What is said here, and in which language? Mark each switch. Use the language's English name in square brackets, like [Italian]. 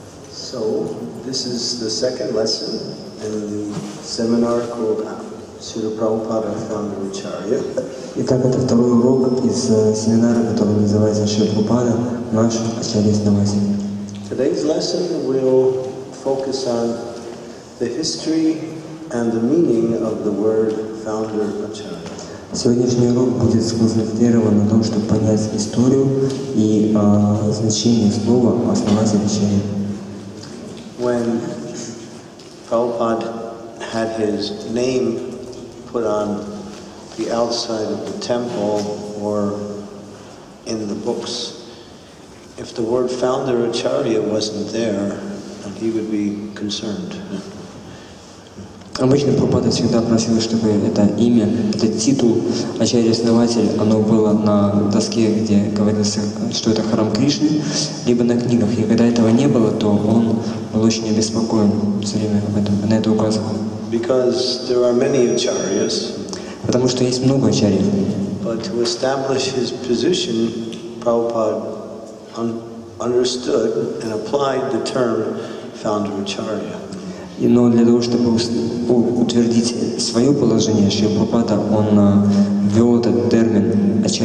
[English] So, this is the second lesson in the seminar called Śrīla Prabhupāda Thamrācārya. [Russian] Итак, это второй урок из семинара, который называется Śrīla Prabhupāda Наш Ачарья Снаваси. [English] Today's lesson will focus on the history and the meaning of the word founder Acharya. [Russian] Сегодняшний урок будет сконцентрирован на том, чтобы понять историю и значение слова основатель Ачарья. [English] When Prabhupada had his name put on the outside of the temple or in the books, if the word founder Acharya wasn't there, he would be concerned. [Russian] Обычно Прабхупада всегда просил, чтобы это имя, этот титул Ачарья-основатель, оно было на доске, где говорилось, что это храм Кришны, либо на книгах. И когда этого не было, то он был очень обеспокоен все время об этом, на это указывал. [English] Because there are many acharyas, [Russian] потому что есть много ачарьев. [English] But to establish his position, Prabhupada understood and applied the term founder Acharya. [Russian] Но для того, чтобы утвердить свое положение, Шри Прабхупада, он ввел этот термин